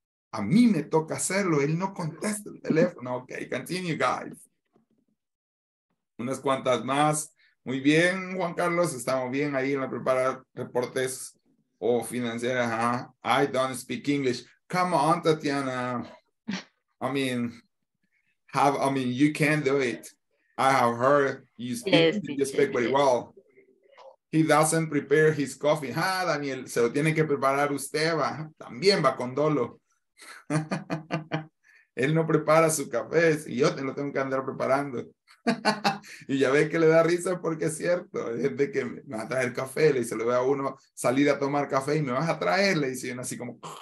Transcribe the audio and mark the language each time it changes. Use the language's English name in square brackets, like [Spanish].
[Spanish] A mí me toca hacerlo, él no contesta el teléfono. [English] Ok, continue, guys. [Spanish] Unas cuantas más. Muy bien, Juan Carlos, estamos bien ahí en la preparar reportes o financieras. [English] Ajá. I don't speak English. Come on, Tatiana. I mean, you can do it. I have heard you speak very well. He doesn't prepare his coffee. [Spanish] Ah, Daniel, se lo tiene que preparar usted, va. También va con dolo. Él no prepara su café, y yo te lo tengo que andar preparando. Y ya ves que le da risa porque es cierto. Es de que me va a traer café, le dice, le voy a uno salir a tomar café y me vas a traer, le dice, y así como...